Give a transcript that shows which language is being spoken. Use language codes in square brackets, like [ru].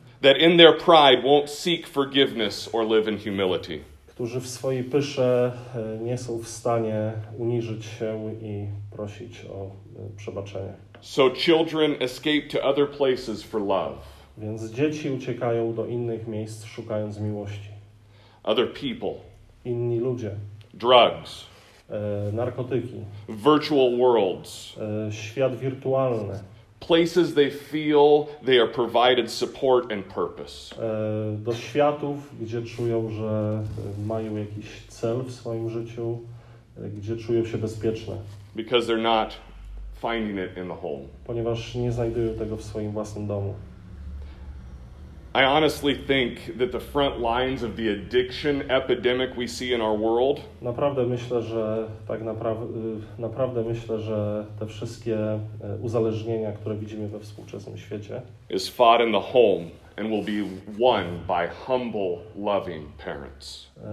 [en] That in their pride won't seek forgiveness or live in humility. [pl] Którzy w swojej pysze nie są w stanie uniżyć się i prosić o przebaczenie. [en] So children escape to other places for love. [pl] Więc dzieci uciekają do innych miejsc, szukając miłości. [en] Other people. [pl] Inni ludzie. [en] Drugs. [pl] Narkotyki. [en] Virtual worlds. [pl] Świat wirtualny. [en] Places they feel they are provided support and purpose. [pl] Do światów, gdzie czują, że mają jakiś cel w swoim życiu, gdzie czują się bezpieczne. [en] Because they're not finding it in the home. [pl] Ponieważ nie znajdują tego w swoim własnym domu. [en] I honestly think that the front lines of the addiction epidemic we see in our world. [pl] Naprawdę myślę, że tak naprawdę myślę, że te wszystkie uzależnienia, które widzimy we współczesnym świecie, [en] is fought in the home and will be won by humble, loving parents.